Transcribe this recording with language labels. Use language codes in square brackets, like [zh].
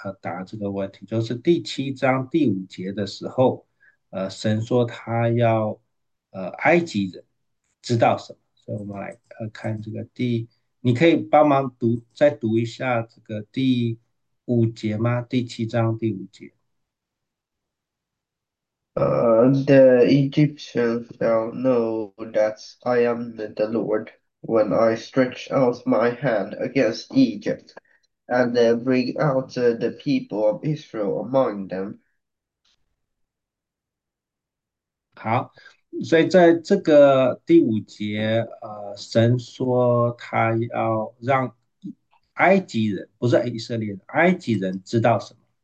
[zh] 答这个问题，就是第七章第五节的时候，神说他要埃及人知道什么，所以我们来看这个你可以帮忙再读一下这个第五节吗？第七章第五节。 [en] The Egyptians shall know that I am the Lord when I stretch out my hand against Egypt and bring out the people of Israel among them. [zh] 好，所以在这个第五节，神说他要让埃及人，不是以色列人，埃及人知道什么？